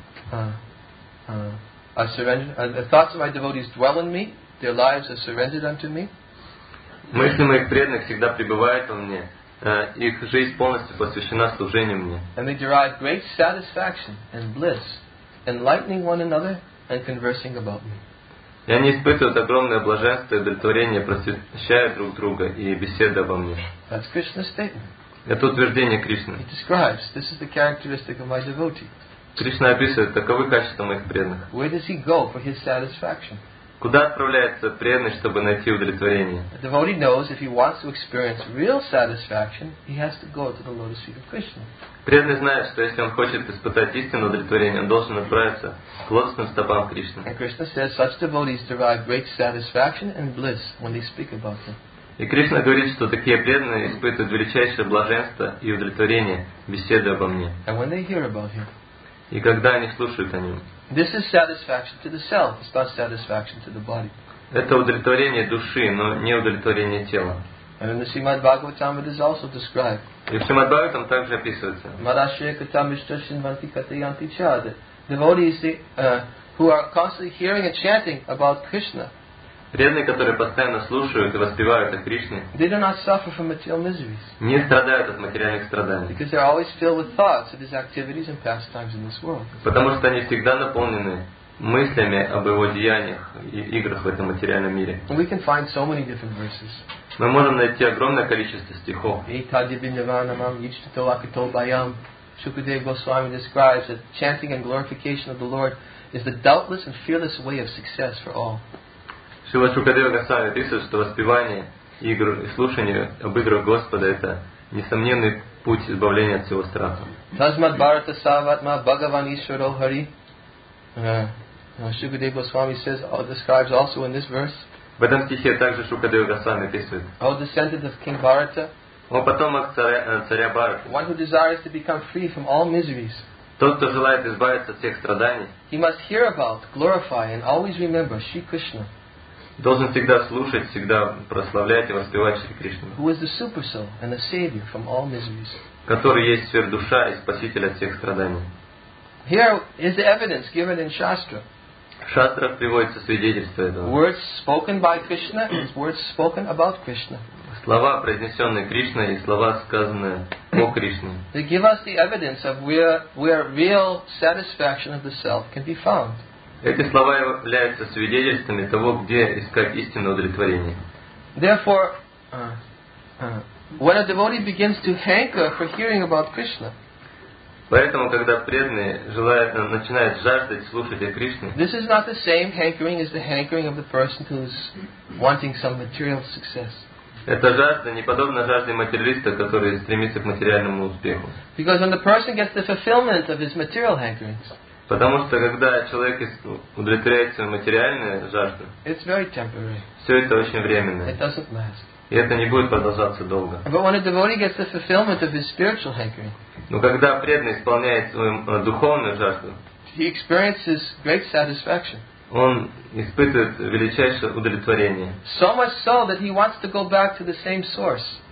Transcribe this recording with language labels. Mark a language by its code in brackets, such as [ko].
[en] The thoughts of my devotees dwell in me. Their lives are surrendered unto me. [ru] Мысли моих преданных всегда пребывают во мне. Их жизнь полностью посвящена служению мне. [en] And they derive great satisfaction and bliss, enlightening one another and conversing about me. [ru] И они испытывают огромное блаженство и удовлетворение, просвещая друг друга и беседуя обо мне. [en] That's Krishna's statement. [ru] Это утверждение Кришны. [en] It describes, this is the characteristic of my devotee. [ru] Кришна описывает, таковы качества моих преданных. [en] Where does he go for his satisfaction? [ru] Куда отправляется преданный, чтобы найти удовлетворение? [en] A devotee knows if he wants to experience real satisfaction, he has to go to the lotus feet of Krishna. [ru] Преданный знает, что если он хочет испытать истинное удовлетворение, он должен отправиться к лотосным стопам Кришны. [en] And Krishna says such devotees derive great satisfaction and bliss when they speak about him. [ru] И Кришна говорит, что такие преданные испытывают величайшее блаженство и удовлетворение, беседуя обо мне. [en] And when they hear about him. [ru] И когда они слушают о нем. [en] This is satisfaction to the self, it's not satisfaction to the body. [ru] Это удовлетворение души, но не удовлетворение тела. [en] And in the Srimad Bhagavatam it is also described. [ru] И в Srimad Bhagavatam также описывается. [sa] Marashya katam ishtashin vanti katayanti cha. [en] The devotees who are constantly hearing and chanting about Krishna. [ru] Преданные, которые постоянно слушают и воспевают о Кришне, [en] they do not suffer from material miseries, [ru] не страдают от материальных страданий, [en] because they are always filled with thoughts of his activities and pastimes in this world. [ru] Потому что они всегда наполнены мыслями об его деяниях и играх в этом материальном мире. [en] We can find so many different verses. [ru] Мы можем найти огромное количество стихов. [sa] Итади биньяванамам ичтито лакито баям. [en] Шукадева Госвами describes that chanting and glorification of the Lord is the doubtless and fearless way of success for all. [ru] Шрила Шукадева Госвами описывает, что воспевание и слушание об играх Господа — это несомненный путь избавления от всего страха. [sa] Тазмат Бхарата Саватма Бхагаван Ишваро Хари. [en] Шукадева Госвами says, describes also in this verse. [ru] В этом стихе также Шукадева Госвами описывает. [en] O descendant of King Bharata. [ru] О потомок царя Бхарата. [en] One who desires to become free from all miseries. [ru] Тот, кто желает избавиться от всех страданий. [en] He must hear about, glorify and always remember Shri Krishna. [ru] Должен всегда слушать, всегда прославлять и воспевать Шри Кришну. [en] Who is the super soul and the savior from all miseries? [ru] Который есть сверхдуша и спаситель от всех страданий. [en] Here is the evidence given in Shastra. [ru] В шастрах приводится свидетельство этого. [en] Words spoken by Krishna is words spoken about Krishna. [ru] Слова, произнесенные Кришной, и слова, сказанные о Кришне. [en] They give us the evidence of where real satisfaction of the self can be found. [ru] Эти слова являются свидетельствами того, где искать истинное удовлетворение. [en] Therefore, when a devotee begins to hanker for hearing about Krishna, [ru] поэтому, когда преданный желает, начинает жаждать слушать о Кришне, [en] this is not the same hankering as the hankering of the person who is wanting some material success. [ru] Эта жажда не подобна жажде материалиста, который стремится к материальному успеху. [en] Because when the person gets the fulfillment of his material hankerings, [ru] Потому что когда человек удовлетворяет свои материальные жажды, [en] it's very temporary. [ru] Все это очень временное. [en] It doesn't last. [ru] И это не будет продолжаться долго. [en] But when a devotee gets the fulfillment of his spiritual hankering, [ru] но когда преданный исполняет свою духовную жажду, [en] he experiences great satisfaction. [ru] Он испытывает величайшее удовлетворение. [en] So much so that he wants to go back to the same source.